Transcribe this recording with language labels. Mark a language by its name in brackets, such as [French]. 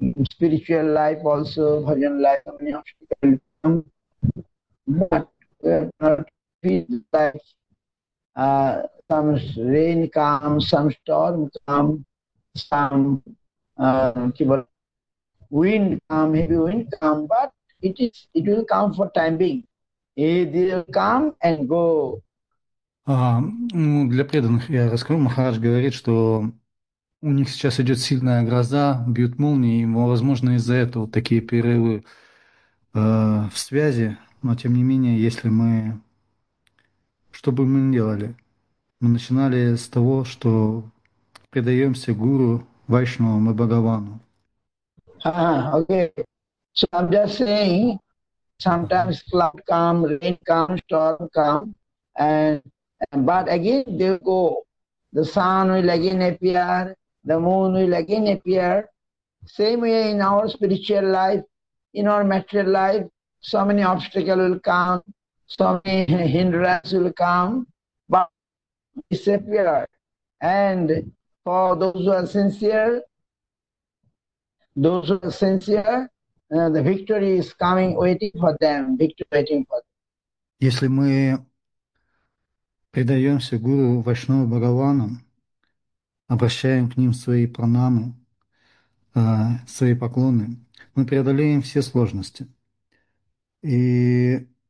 [English] spiritual life also, bhajan life, many obstacles come, but we are not feel like some rain comes, some storm comes, some wind comes, heavy wind comes, but it will come for time being. It will come and go. [Russian] Для преданных я расскажу. Махарадж говорит, что у них сейчас идет сильная гроза, бьют молнии, и, возможно, из-за этого такие перерывы в связи. Но, тем не менее, если мы... Что бы мы ни делали? Мы начинали с того, что предаемся гуру Вайшнавам и Бхагавану. [English] Okay. So I'm just saying, sometimes cloud come, rain come, storm come, but again they will go. The sun will again appear, the moon will again appear. Same way in our spiritual life, in our material life, so many obstacles will come, so many hindrances will come, but disappear. And for those who are sincere, those who are sincere, the victory is coming, waiting for them. Victory waiting for them. [Russian] Если мы предаемся Гуру Вайшнава Бхагавану, обращаем к ним свои пранамы, свои поклоны, мы преодолеем все сложности. И